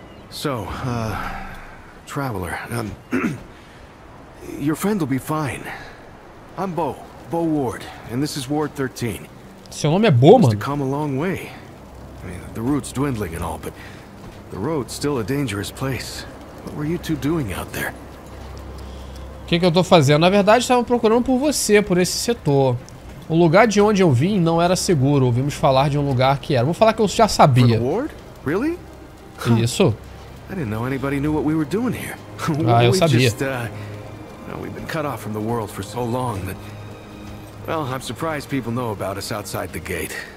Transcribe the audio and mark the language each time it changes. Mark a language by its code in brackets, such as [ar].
[en] So, traveler, your friend will be fine. I'm Bo. Bo Ward, and this is Ward 13. [pt] Seu nome é Bo, mano. [en] To come a long way. I mean, the route's dwindling and all, but the road's still a dangerous place. What were you two doing out there? [pt] Que eu tô fazendo? Na verdade, estava procurando por você, por esse setor. O lugar de onde eu vim não era seguro. Ouvimos falar de um lugar que era. Vou falar que eu já sabia. [en] Ward? Really? [pt] Isso. [en] I didn't know anybody knew what we were doing here. [pt] Ah, eu sabia. [en] We've been cut off from the world for so long that Well, I'm surprised people know about us outside the gate.